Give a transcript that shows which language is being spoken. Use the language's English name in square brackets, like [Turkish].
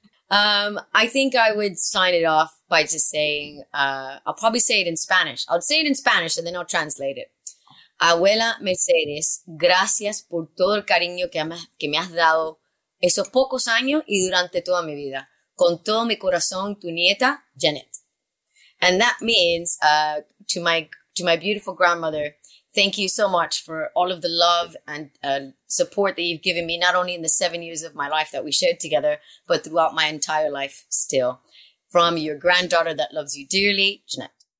[English] I think I would sign it off by just saying, I'll probably say it in Spanish. I'll say it in Spanish and then I'll translate it. [Spanish] Abuela Mercedes, gracias por todo el cariño que me has dado esos pocos años y durante toda mi vida. Con todo mi corazón, tu nieta, Janet. [English] And that means, to my beautiful grandmother, thank you so much for all of the love and support that you've given me, not only in the 7 years of my life that we shared together, but throughout my entire life still. From your granddaughter that loves you dearly, Janet.